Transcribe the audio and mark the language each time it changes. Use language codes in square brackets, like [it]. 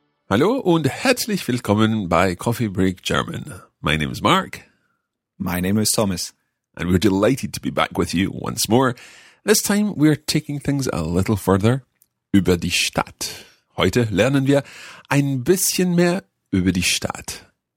[de] Hallo und herzlich willkommen bei Coffee Break German. [en] My name is Mark. My name is Thomas. And we're delighted to be back with you once more. This time we're taking things a little further. [de] Über die Stadt. Heute lernen wir ein bisschen mehr über die Stadt.